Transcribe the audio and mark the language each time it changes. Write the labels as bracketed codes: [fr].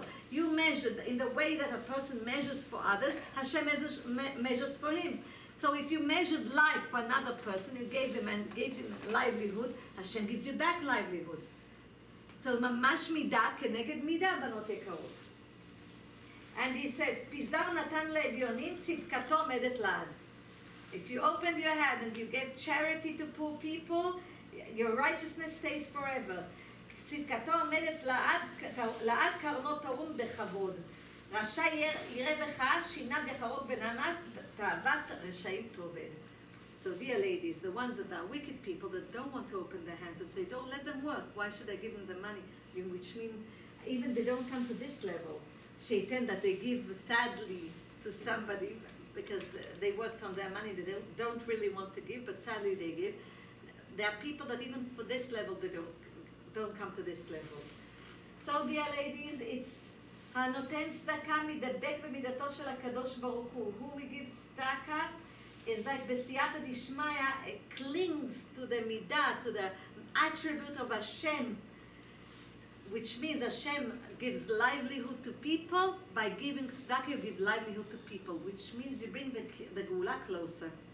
[en] You measured in the way that a person measures for others, Hashem measures for him. So if you measured life for another person, you gave him and gave him livelihood, Hashem gives you back livelihood. [he] So ממש מידה כנגד מידה בנות יקרות. And he said, פיזר נתן לאביונים צדקתו עומדת לעד. If you opened your hand and you gave charity to poor people, your righteousness stays forever. צדקתו עומדת לעד קרנות תרום בכבוד. רשע יראה בך שיניו יחרוק בנמס, תאוות רשעים תאבד. [en] So dear ladies, the ones that are wicked people that don't want to open their hands and say, don't let them work, why should I give them the money? In which mean, even they don't come to this level. Shaitan, that they give sadly to somebody because they worked on their money, they don't really want to give, but sadly they give. There are people that even for this level, they don't come to this level. So dear ladies, it's הנותן צדקה מדבק במידתו של הקדוש ברוך הוא. Who we give צדקה? Is like b'siyata d'ishmaya, it clings to the midah, to the attribute of Hashem, which means Hashem gives livelihood to people. By giving tzedakah, you give livelihood to people, which means you bring the geula closer.